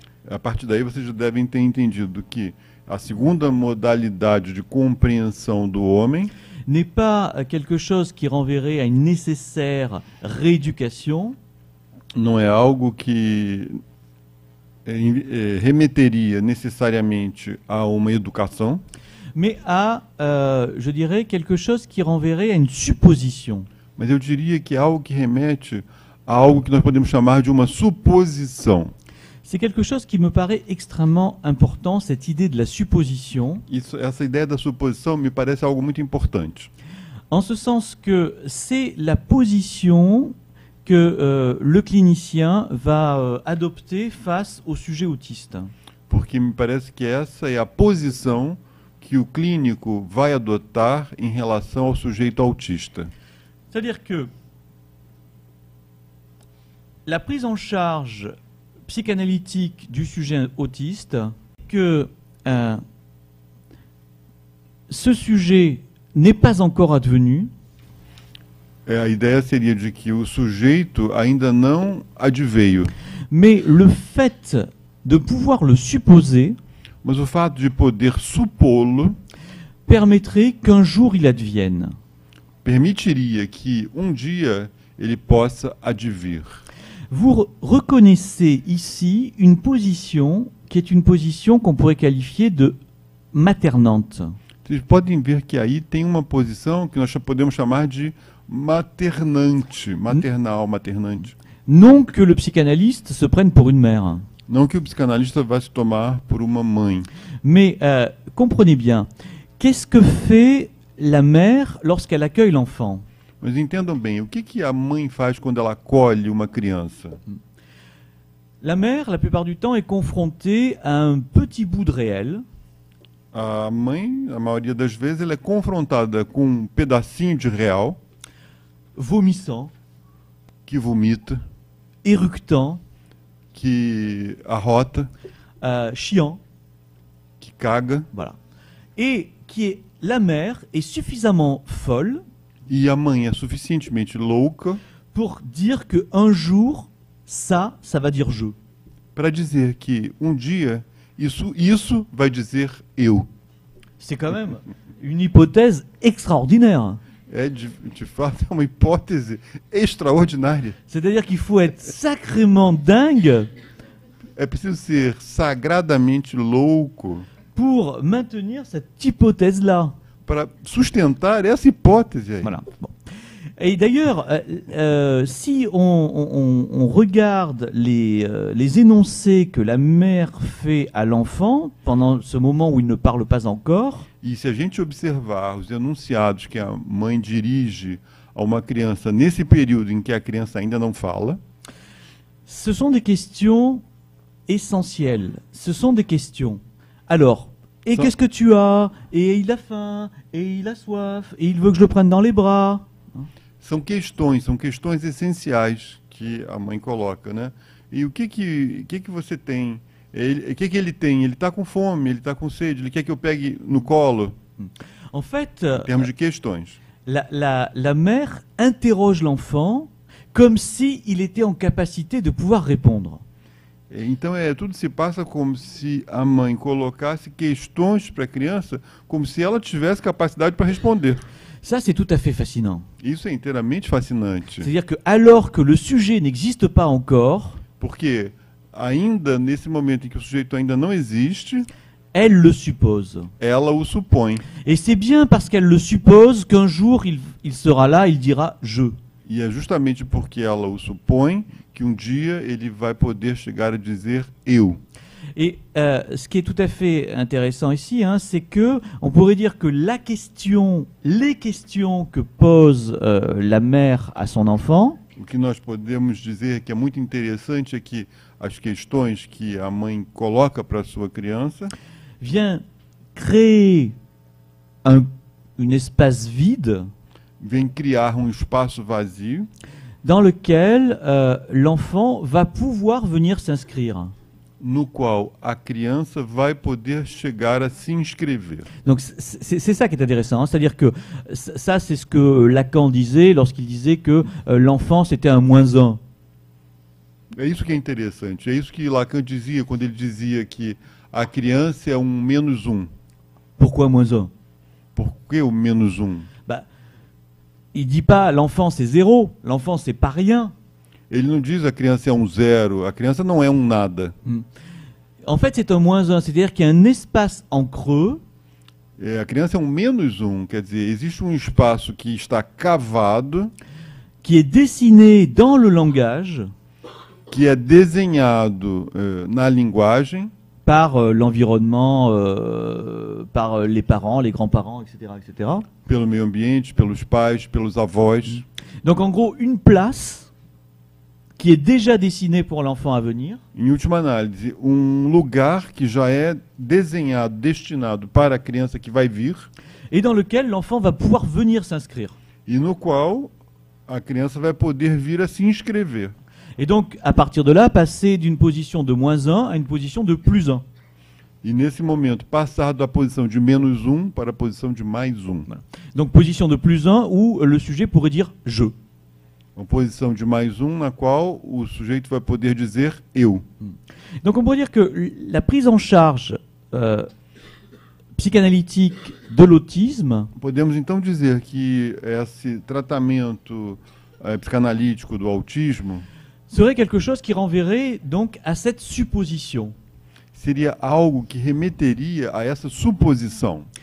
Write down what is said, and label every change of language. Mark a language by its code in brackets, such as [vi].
[pt] À partir daí, vocês já devem ter entendido que a segunda modalidade de compreensão do homem [fr] n'est pas quelque chose qui renverrait à une nécessaire rééducation. [pt] Não é algo que remeteria necessariamente a uma educação. [fr] Mais à, je dirais, quelque chose qui renverrait à une supposition. [pt] Mas eu diria que é algo que remete a algo que nós podemos chamar de uma suposição. [fr] C'est quelque chose qui me paraît extrêmement important, cette idée de la supposition. [pt] Essa ideia da suposição me parece algo muito importante. [fr] En ce sens que c'est la position que le clinicien va adopter face au sujet autiste. [pt] Porque me parece que essa é a posição que o clínico vai adotar em relação ao sujeito autista. [fr] C'est-à-dire que la prise en charge psychanalytique du sujet autiste, que ce sujet n'est pas encore advenu. [pt] A ideia seria de que o sujeito ainda não adveio. [fr] Mais le fait de pouvoir le supposer, [pt] mas o fato de poder supô-lo, [fr] permettrait qu'un jour il advienne. [pt] Permitiria que dia ele possa advir. [fr] Vous reconnaissez ici une position qui est une position qu'on pourrait qualifier de maternante. [pt] Vocês podem ver que aí tem uma posição que nós podemos chamar de maternante, maternal, maternante. [fr] Non que le psychanalyste se prenne pour une mère. [pt] Não que o psicanalista vá se tomar por uma mãe. [fr] Mais comprenez bien, qu'est-ce que fait la mère lorsqu'elle accueille l'enfant? [pt] Mas entendam bem, o que a mãe faz quando ela acolhe uma criança? [fr] La mère, la plupart du temps, est confrontée à un petit bout de réel. [pt] A mãe, a maioria das vezes, ela é confrontada com um pedacinho de real. [fr] Vomissant. [pt] Que vomita. [fr] Eructant. [pt] Que arrota. [fr] Chiant. [pt] Que caga. [fr] Voilà. Et que la mère est suffisamment folle. [pt] E a mãe é suficientemente louca. [fr] Pour dire que un jour, ça, ça va dire je. [pt] Para dizer que dia. Isso vai dizer eu. [fr] C'est quand même une hypothèse extraordinaire. [pt] É de fato, é uma hipótese extraordinária. [fr] C'est-à-dire qu'il faut être sacrément dingue. [pt] É preciso ser sagradamente louco. [fr] Pour maintenir cette hypothèse-là. [pt] Para sustentar essa hipótese aí. [fr] Voilà. Bon. Et d'ailleurs, si on regarde les énoncés que la mère fait à l'enfant pendant ce moment où il ne parle pas encore, [pt] et si a gente observar os enunciados que a mãe dirige a uma criança nesse período em que a criança ainda não fala, [fr] ce sont des questions essentielles. Ce sont des questions. Alors, et qu'est-ce que tu as? Et il a faim, et il a soif, et il veut que je le prenne dans les bras. [pt] São questões essenciais que a mãe coloca, né? E o que você tem? O que ele tem? Ele está com fome, ele está com sede, ele quer que eu pegue no colo? [fr] En fait, [pt] em termos de questões. [fr] La mère interroge l'enfant comme si il était en capacité de pouvoir répondre. [pt] Então, tudo se passa como se a mãe colocasse questões para a criança, como se ela tivesse capacidade para responder. [fr] Ça, c'est tout à fait fascinant. [pt] Isso é inteiramente fascinante. [fr] C'est-à-dire que, alors que le sujet n'existe pas encore, [pt] porque ainda nesse momento em que o sujeito ainda não existe, [fr] elle le suppose. [pt] Ela o supõe. [fr] Et c'est bien parce qu'elle le suppose qu'un jour il sera là, il dira je. [pt] E é justamente porque ela o supõe que dia ele vai poder chegar a dizer eu. [fr] Et ce qui est tout à fait intéressant ici, hein, c'est que on pourrait dire que la question, les questions que pose la mère à son enfant, [pt] o que nós podemos dizer que é muito interessante é que as questões que a mãe coloca para sua criança [fr] vient créer un espace vide, [pt] vem criar espaço vazio [fr] dans lequel l'enfant va pouvoir venir s'inscrire. [pt] No qual a criança vai poder chegar a se inscrever. [fr] Donc c'est ça qui est intéressant, c'est-à-dire que ça c'est ce que Lacan disait lorsqu'il disait que l'enfant c'était un moins un. [pt] É isso que é interessante, é isso que Lacan dizia quando ele dizia que a criança é menos um. [fr] Pourquoi moins un? [pt] Por que o menos um? [fr] Bah, il dit pas l'enfant c'est zéro, l'enfant c'est pas rien. [pt] Ele não diz a criança é zero, a criança não é nada. [fr] En fait, c'est un moins un, c'est-à-dire qu'il y a un espace en creux. [pt] A criança é menos quer dizer, existe espaço que está cavado. [fr] Qui est dessiné dans le langage. qui est [pt] désignado na linguagem [fr] par l'environnement, par les parents, les grands-parents, etc., etc. [pt] Pelo meio ambiente, pelos pais, pelos avós. [fr] Donc en gros, une place qui est déjà dessinée pour l'enfant à venir. [pt] Em última análise, um lugar que já é desenhado, destinado para a criança que vai vir. [fr] Et dans lequel l'enfant va pouvoir venir s'inscrire. [pt] E no qual a criança vai poder vir a se inscrever. [fr] Et donc, à partir de là, passer d'une position de moins 1 à une position de plus 1. [pt] Et nesse momento, passar da posição de menos 1 para a posição de mais 1. [fr] Voilà. Donc, position de plus 1 où le sujet pourrait dire je. [pt] Uma posição de mais 1 na qual o sujeito vai poder dizer eu. [fr] Donc, on pourrait dire que la prise en charge psychanalytique de l'autisme. [pt] Podemos então dizer que esse tratamento psicanalítico do autismo. [fr] Serait quelque chose qui renverrait donc à cette supposition. [pt] Seria algo que remeteria a essa suposição.